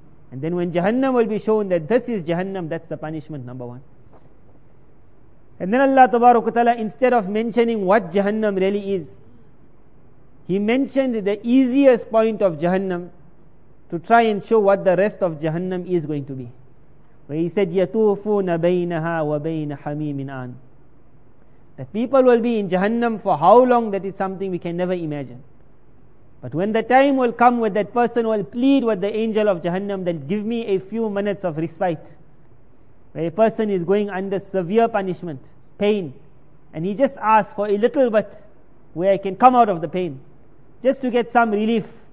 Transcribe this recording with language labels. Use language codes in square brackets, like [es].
[en] And then when Jahannam will be shown that this is Jahannam, that's the punishment number one. And then Allah Tabaraka Ta'ala, instead of mentioning what Jahannam really is, he mentioned the easiest point of Jahannam to try and show what the rest of Jahannam is going to be. Where he said, [ar] يَتُوفُونَ بَيْنَهَا وَبَيْنَ حَمِيمٍ آن. [en] The people will be in Jahannam for how long, that is something we can never imagine. But when the time will come where that person will plead with the angel of Jahannam, then give me a few minutes of respite. Where a person is going under severe punishment, pain, and he just asks for a little bit where I can come out of the pain, just to get some relief.